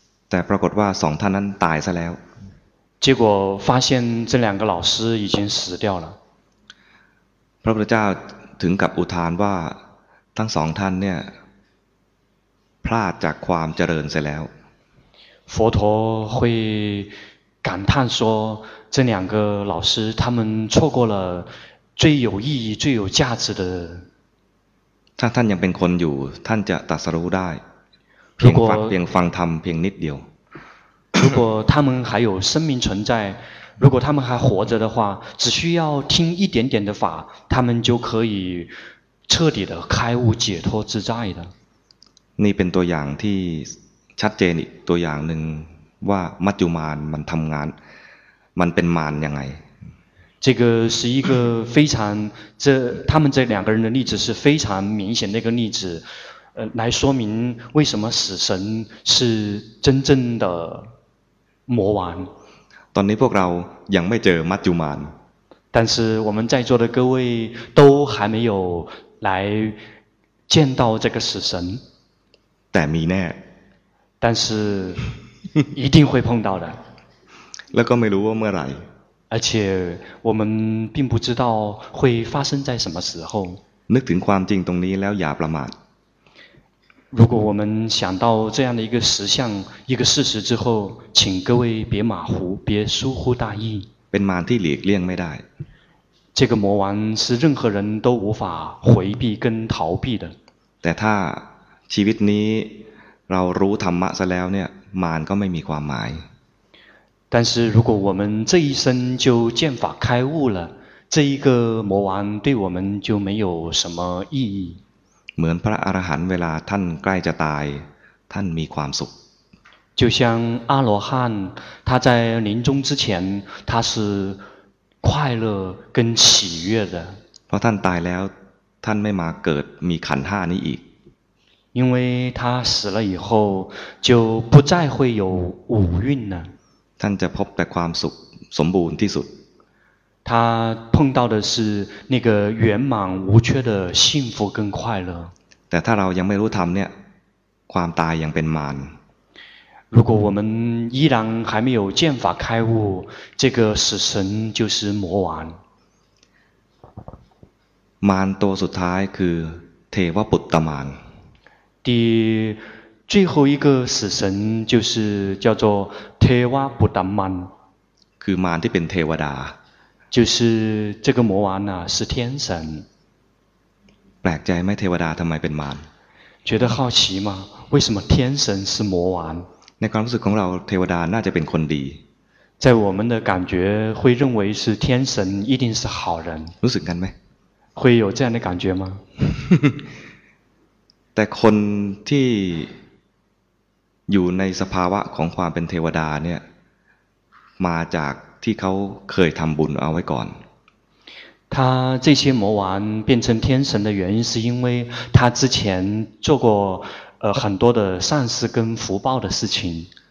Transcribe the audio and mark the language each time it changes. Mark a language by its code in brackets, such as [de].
[th] แต่ปรากฏว่าสองท่านนั้นตายซะแล้ว。 [zh] 结果发现这两个老师已经死掉了。 [th] พระพุทธเจ้าถึงกับอุทานว่าทั้งสองท่านเนี่ยพลาดจากความเจริญซะแล้ว。 [zh] 佛陀会感叹说，这两个老师他们错过了最有意义最有价值的。 [th] ถ้าท่านยังเป็นคนอยู่ท่านจะตรัสรู้ได้เพียงฟังธรรมเพียงนิดเดียว [zh] 如果他们还有生命存在，如果他们还活着的话，只需要听一点点的法，他们就可以彻底的开悟解脱自在的。 [th] นี่เป็นตัวอย่างที่ชัดเจนอีกตัวอย่างหนึ่งว่ามัจจุมานมันทำงานมันเป็นมารยังไง [zh] 这个是一个非常这他们这两个人的例子是非常明显的一个例子来说明为什么死神是真正的魔王 [th] ตอนนี้พวกเรายังไม่เจอมัจจุมาน [zh] 但是我们在座的各位都还没有来见到这个死神 [th] แต่มีแน่ [zh] 但是一定会碰到的 [th] แล้วก็ไม่รู้ว่าเมื่อไหร่ [zh] 而且我们并不知道会发生在什么时候 [th] นึกถึงความจริงตรงนี้แล้วอย่าประมาท [zh] 如果我们想到这样的一个实相一个事实之后请各位别马虎别疏忽大意 [th] เป็นมารที่หลีกเลี่ยงไม่ได้ [zh] 这个魔王是任何人都无法回避跟逃避的 [th] แต่ถ้าชีวิตนี้เรารู้ธรรมะซะแล้วเนี่ยมารก็ไม่มีความหมาย [zh] 但是如果我们这一生就见法开悟了这一个魔王对我们就没有什么意义 [th] เหมือนพระอรหันต์เวลาท่านใกล้จะตายท่านมีความสุข [zh] 就像阿罗汉他在临终之前他是快乐跟喜悦的 [th] เพราะท่านตายแล้วท่านไม่มาเกิดมีขันธ์5นี้อีก เพราะท่านตายแล้วท่านจะไม่มีขันธ์5แล้วท่ านจะพบแต่ความสุขสมบูรณ์ที่สุด ท่านพบได้คือ [zh] 那个圆满无缺的幸福跟快乐 [th] แต่ถ้าเรายังไม่รู้ธรรมเนี่ยความตายยังเป็นมาร [zh] 如果我们依然还没有见法开悟这个死神就是魔王 [th] มารตัวสุดท้ายคือเทวปุตตมาร [zh] ที่最后一个死神就是叫做เทวปุตตมาร [th] คือมารที่เป็นเทวดา [zh] 就是这个魔王呐是天神 [th] แปลกใจไหมเทวดาทำไมเป็นมาร [zh] 觉得好奇吗为什么天神是魔王 [th] ในความรู้สึกของเราเทวดาน่าจะเป็นคนดี [zh] 在我们的感觉会认为是天神一定是好人 [th] รู้สึกกันไหม [zh] 会有这样的感觉吗 [th] แต่คนที่อยู่ในสภาวะของความเป็นเทวดาเนี่ยมาจากที่เขาเคยทำบุญเอาไว้ก่อน [zh] 他这些魔王变成天神的原因是因为他之前做过很多的善事跟福报的事情